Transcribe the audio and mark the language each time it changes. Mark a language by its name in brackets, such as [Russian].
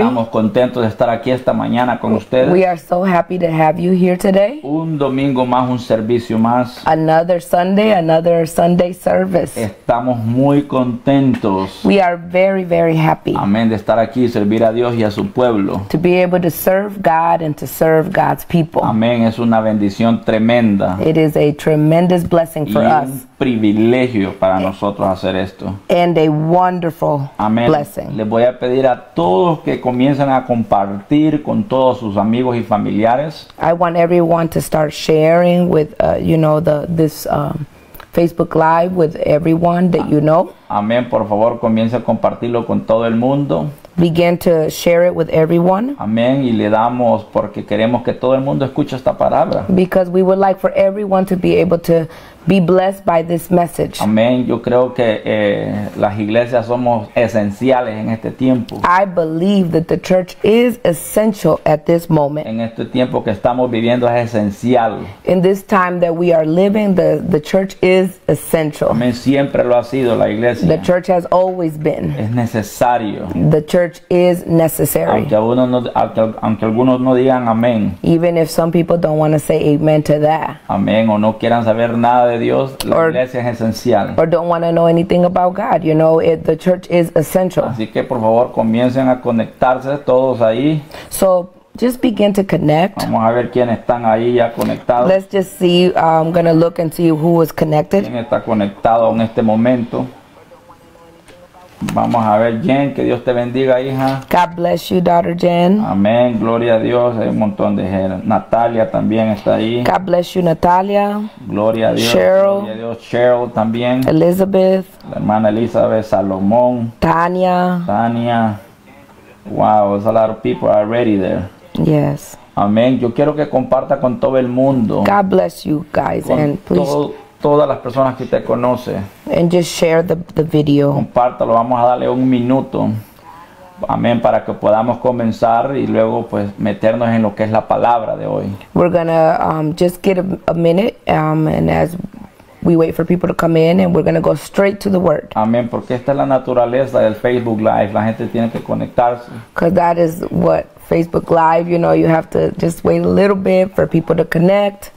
[Spanish] Estamos contentos de estar aquí esta mañana con ustedes. [English] We are so happy to have you here today. [Spanish] Un domingo más, un servicio más. [English] Another Sunday service. [Spanish] Estamos muy contentos. [English] We are very, very happy. [Spanish] Amén, de estar aquí y servir a Dios y a su pueblo. [English] To be able to serve God and to serve God's people. [Spanish] Amén, es una bendición tremenda. [English] It is a tremendous blessing for us. [Spanish] Y un privilegio para nosotros hacer esto. [English] And a wonderful [Spanish] Amén. [English] Blessing. [Spanish] Les voy a pedir a todos que comiencen a compartir con todos sus amigos y familiares. [English] I want everyone to start sharing with, Facebook Live with everyone that you know. [Spanish] Amén. Por favor, comience a compartirlo con todo el mundo. [English] Begin to share it with everyone. [Spanish] Amén. Y le damos porque queremos que todo el mundo escuche esta palabra. [English] Because we would like for everyone to be able to be blessed by this message. [Spanish] Amén. Yo creo que las iglesias somos esenciales en este tiempo. [English] I believe that the church is essential at this moment. [Spanish] En este tiempo que estamos viviendo es esencial. [English] In this time that we are living, the church is essential. [Spanish] Amén. Siempre lo ha sido la iglesia. [English] The church has always been. [Spanish] Es necesario. [English] The church is necessary. [Spanish] Aunque algunos no digan amén. [English] Even if some people don't want to say amen to that. [Spanish] Amén. O no quieran saber nada de Dios, la iglesia es esencial. [English] Or don't want to know anything about God, you know, the church is essential. [Spanish] Así que por favor comiencen a conectarse todos ahí. [English] So just begin to connect. [Spanish] Vamos a ver quién están ahí ya conectados. [English] Let's just see, I'm going to look and see who is connected. [Spanish] ¿Quién está conectado en este momento? Vamos a ver, Jen, que Dios te bendiga, hija. [English] God bless you, daughter Jen. [Spanish] Amén, gloria a Dios. Hay un montón de gente. Natalia también está ahí. [English] God bless you, Natalia. [Spanish] Gloria a Dios. Cheryl. Gloria a Dios. Cheryl también. Elizabeth. La hermana Elizabeth. Salomón. Tania. Tania. [English] Wow, there's a lot of people already there. Yes. [Spanish] Amén. Yo quiero que comparta con todo el mundo. [English] God bless you, guys, [Spanish] con [English] and please. [Spanish] Todas las personas que te conoce. [English] And just share the video. [Spanish] Compártalo, vamos a darle un minuto. Amén, para que podamos comenzar y luego pues meternos en lo que es la palabra de hoy. [English] We're gonna just get a minute and as we wait for people to come in and we're gonna go straight to the word. [Spanish] Amén, porque esta es la naturaleza del Facebook Live. La gente tiene que conectarse. [English] Because that is what Facebook Live, you know, you have to just wait a little bit for people to connect.